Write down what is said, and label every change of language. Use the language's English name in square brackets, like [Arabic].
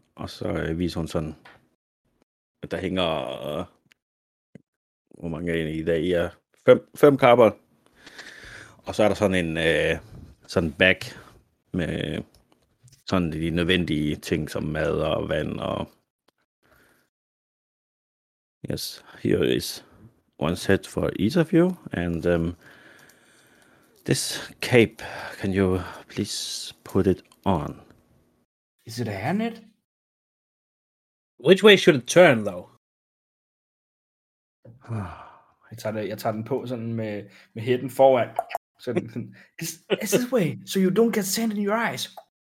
[Danish] Og så viser hun sådan, at der hænger... Hvor mange er I dag? I er fem kapper. Og så er der sådan en sådan bag med sådan de nødvendige ting som mad og vand. [English] Og yes, here is one set for each of you. And this cape, can you please put it on? Is it a hairnet? Which way should it turn, though? [Danish] Jeg tager den på sådan med hætten foran. [English] Sådan, this way, so you don't get sand in your eyes.